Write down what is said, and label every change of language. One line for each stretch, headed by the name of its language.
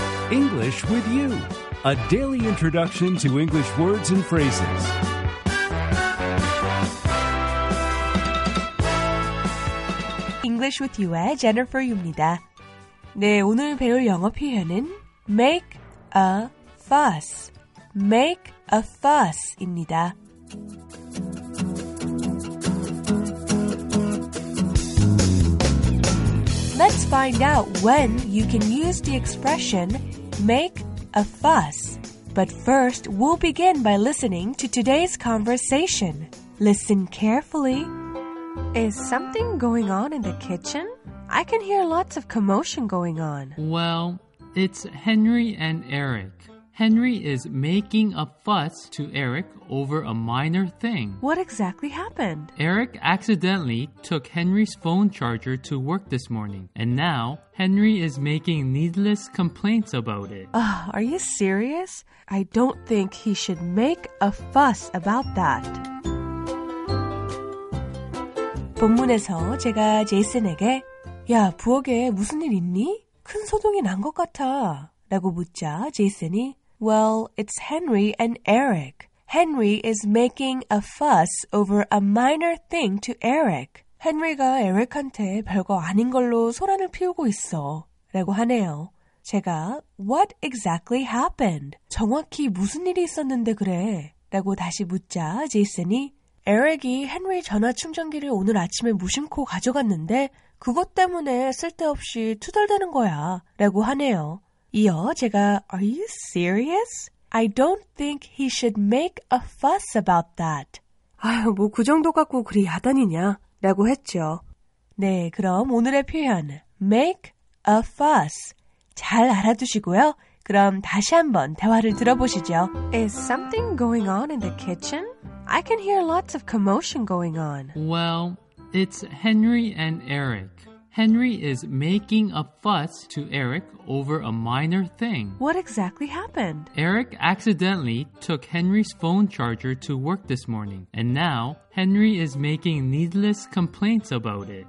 English: English with You, a daily introduction to English words and phrases.
Korean: English with You의 Jennifer입니다. 네, 오늘 배울 영어 표현은 make a fuss. Make a fuss입니다.
English: Let's find out when you can use the expression make a fuss. But first, we'll begin by listening to today's conversation. Listen carefully. Is something going on in the kitchen? I can hear lots of commotion going on. Well, it's Henry and Eric. Henry is making a fuss to Eric over a minor thing. What exactly happened? Eric accidentally took Henry's phone charger to work this morning, and now Henry is making needless complaints about it. Are you serious? I don't think he should make a fuss about that.
Korean: 본문에서 제가 제이슨에게 야, 부엌에 무슨 일 있니? 큰 소동이 난 것 같아. 라고 묻자 제이슨이
English: Well, it's Henry and Eric. Henry is making a fuss over a minor thing to Eric.
Korean: Henry가 Eric한테 별거 아닌 걸로 소란을 피우고 있어. 라고 하네요. 제가
English: What exactly happened?
Korean: 정확히 무슨 일이 있었는데 그래? 라고 다시 묻자 제이슨이 Eric이 헨리 전화 충전기를 오늘 아침에 무심코 가져갔는데 그것 때문에 쓸데없이 투덜대는 거야. 라고 하네요. 이어 제가
English: Are you serious? I don't think he should make a fuss about that.
Korean: 아유, 뭐 그 정도 갖고 그리 야단이냐? 라고 했죠. 네, 그럼 오늘의 표현 make a fuss 잘 알아두시고요. 그럼 다시 한번 대화를 들어보시죠.
English: Is something going on in the kitchen? I can hear lots of commotion going on. Well, it's Henry and Eric. Henry is making a fuss to Eric over a minor thing. What exactly happened? Eric accidentally took Henry's phone charger to work this morning, and now Henry is making needless complaints about it.